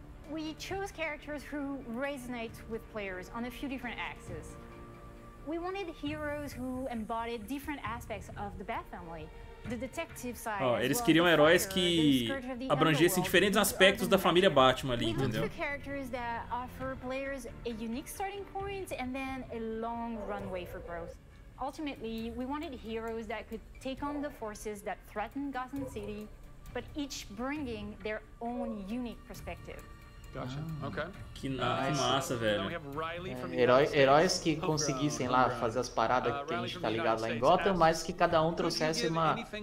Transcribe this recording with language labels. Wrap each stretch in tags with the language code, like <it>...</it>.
<en>We chose characters who resonate with players on a few different axes. We wanted heroes who embodied different aspects of the Bat family. The detective side.</en> <pt>Ó, eles queriam heróis que abrangessem diferentes aspectos da família Batman ali, entendeu?</pt> <en>We characters that offer players a unique starting point and then a long runway for growth. Ultimately, we wanted heroes that could take on the forces that threaten Gotham City, but each bringing their own unique perspective. Gotcha. Okay.</en> <pt>Que massa, velho. Heróis que conseguissem lá fazer as paradas que a gente tá ligado lá em Gotham, mas que cada um trouxesse uma</pt>